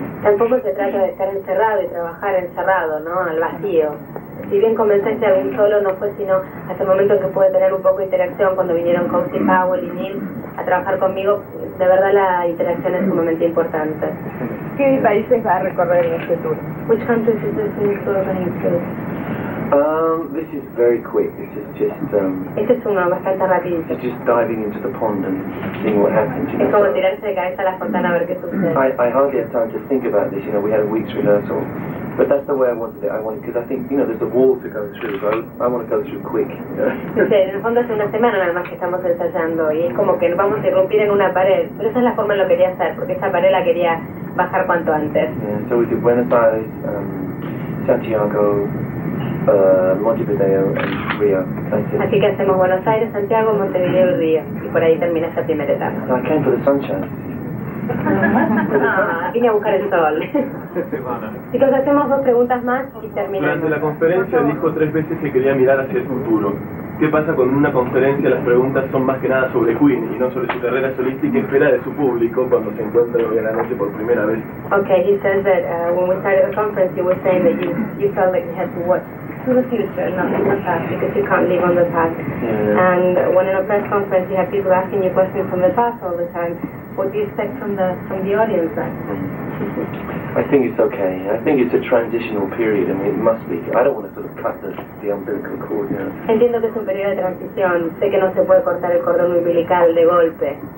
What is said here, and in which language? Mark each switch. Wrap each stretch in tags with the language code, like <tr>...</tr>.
<es>Tampoco se trata de estar encerrado y trabajar encerrado, ¿no? Al vacío. Si bien comencé a venir solo, no fue sino hasta el momento que pude tener un poco de interacción cuando vinieron Coxie, Powell y Neil a trabajar conmigo. De verdad, la interacción es sumamente importante. ¿Qué países va a recorrer en este tour?</es> <en>Which countries is this in tour going to? This is very quick. This is just</en> <es>este es uno bastante rápido.</es> <en>It's just diving into the pond and seeing what happens.</en> <es>Es como tirarse de cabeza a la fontana a ver qué sucede.</es> <en>I hardly have time to think about this. You know, we had a week's rehearsal. But that's the way I wanted it. I wanted, because I think, you know, there's a wall to go through, so I want to go through quick.</en> <es>Sí, en el fondo hace una semana nada más que estamos ensayando y es como que nos vamos a irrumpir en una pared. Pero esa es la forma en lo quería hacer, porque esa pared la quería bajar cuanto antes.</es> <en>Yeah, so we did Buenos Aires, Santiago, Montevideo and Rio.</en> <es>Así que hacemos Buenos Aires, Santiago, Montevideo y Rio. Y por ahí termina esa primera etapa.</es> <en>And I came for the sunshine.</en> <es>Vine a buscar el sol. Chicos, hacemos dos preguntas más y terminamos. Durante la conferencia dijo tres veces que quería mirar hacia el futuro. ¿Qué pasa cuando en una conferencia las preguntas son más que nada sobre Queen y no sobre su carrera solista y qué espera de su público cuando se encuentra hoy en la noche por primera vez?</es> <en>Okay, he says that when we started the conference you were saying that you felt like you had to watch to the future, not in the past, because you can't live on the past. Yeah. And when in a press conference you have people asking you questions from the past all the time, what do you expect from the audience then? I think it's okay. I think it's a transitional period. I mean, it must be. I don't want to sort of cut the umbilical cord, you know.</en> <es>Entiendo que es un periodo de transición. Sé que no se puede cortar el cordón umbilical de golpe.</es>